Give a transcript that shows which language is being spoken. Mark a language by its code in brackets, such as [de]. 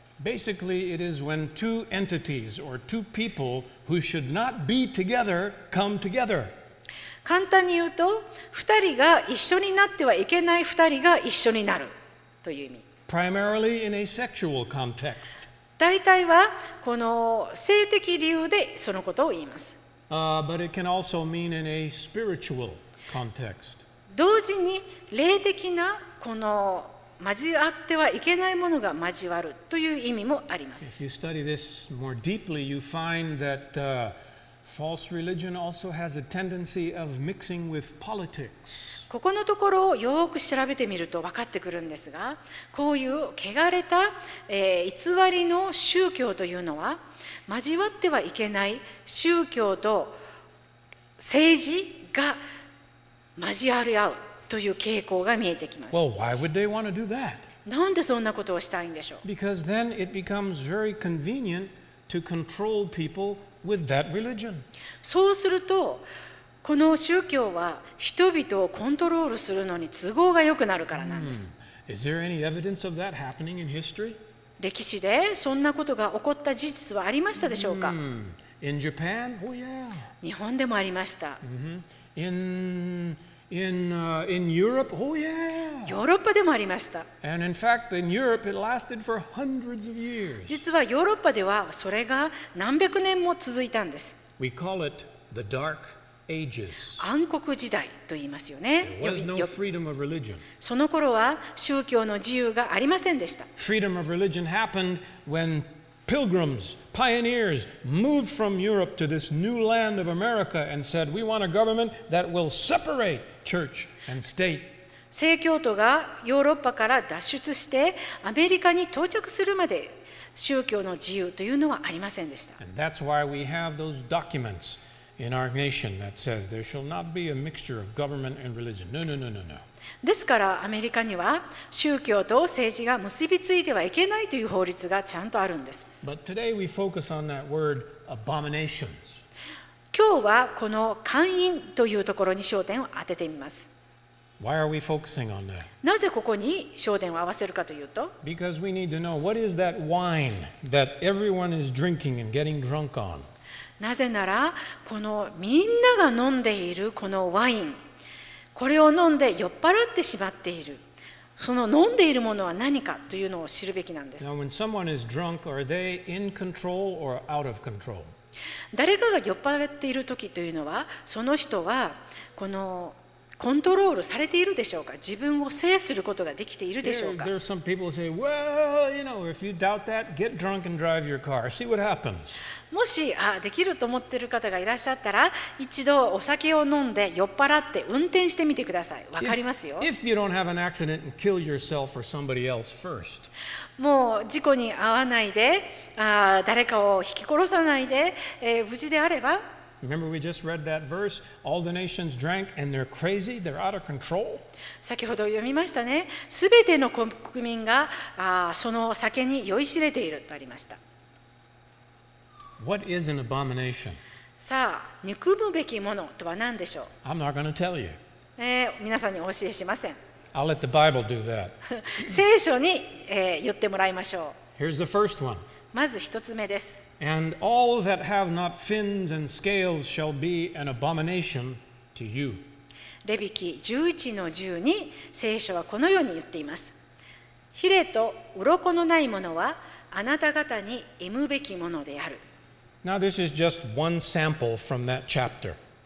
[en] Basically, it is when two entities or two people who should not be together come together. [ja] 簡単に言うと、二人が一緒になってはいけない二人が一緒になるという意味。 [en] Primarily in a sexual context. [ja] 大体はこの性的理由でそのことを言います。 [en] But it can also mean in a spiritual context. [ja] 同時に霊的なこの交わってはいけないものが交わるという意味もあります。 [en] If you study this more deeply, you find that, false religion also has a tendency of mixing with politics. [ja] ここのところをよく調べてみると分かってくるんですが、こういう汚れた、偽りの宗教というのは、交わってはいけない宗教と政治が交わり合うという傾向が見えてきます。 [en] Well, why would they want to do that? [ja] なんでそんなことをしたいんでしょう? [en] Because then it becomes very convenient to control people with that religion. [ja] そうすると、この宗教は人々をコントロールするのに都合が良くなるからなんです。 [en] Is there any evidence of that happening in history? [ja] 歴史でそんなことが起こった事実はありましたでしょうか? [en] In Japan? Oh, yeah. [ja] 日本でもありました。 [en] In Europe, oh yeah. [ja] ヨーロッパでもありました。 [en] And in fact, in Europe, it lasted for hundreds of years. [ja] 実はヨーロッパではそれが何百年も続いたんです。 [en] We call it the Dark Ages. [ja] 暗黒時代と言いますよね。 [en] There was no freedom of religion. [ja] その頃は宗教の自由がありませんでした。 [en] Freedom of religion happened when pilgrims, pioneers moved from Europe to this new land of America and said, "We want a government that will separate church and state." [ja] 聖教徒がヨーロッパから脱出してアメリカに到着するまで宗教の自由というのはありませんでした。 [en] And that's why we have those documents in our nation that says there shall not be a mixture of government and religion. No. [ja] ですからアメリカには宗教と政治が結びついてはいけないという法律がちゃんとあるんです。 [en] But today we focus on that word, abominations. [ja] 今日はこの姦淫というところに焦点を当ててみます。 [en] Why are we focusing on that? [ja] なぜここに焦点を合わせるかというと、 [en] Because we need to know what is that wine that everyone is drinking and getting drunk on. [ja] なぜならこのみんなが飲んでいるこのワイン、これを飲んで酔っ払ってしまっている。その飲んでいるものは何かというのを知るべきなんです。 [en] Now, when someone is drunk, are they in control or out of control? [ja] 誰かが酔っ払っている時というのは、その人はこのコントロールされているでしょうか。自分を制することができているでしょうか。 [en] There are some people who say, "Well, you know, if you doubt that, get drunk and drive your car. See what happens." [ja] もしできると思っている方がいらっしゃったら、一度お酒を飲んで酔っ払って運転してみてください。わかりますよ。 [en] If you don't have an accident and kill yourself or somebody else first. [ja] もう事故に遭わないで、誰かを引き殺さないで、無事であれば。 [en] Remember we just read that verse, all the nations drank and they're crazy, they're out of control. [ja] 先ほど読みましたね。すべての国民がその酒に酔いしれているとありました。 [en] What is an abomination? [ja] さあ、憎むべきものとは何でしょう? [en] I'm not going to tell you. [ja] 皆さんにお教えしません。 [en] I'll let the Bible do that. [ja] 聖書に、言ってもらいましょう。 [en] Here's the first one. [ja] まず一つ目です。 [en] And all that have not fins and scales shall be an abomination to you. [ja] レビ記11の10に聖書はこのように言っています。ヒレと鱗のないものはあなた方に忌むべきものである。 [en] Now this is just one sample from that chapter.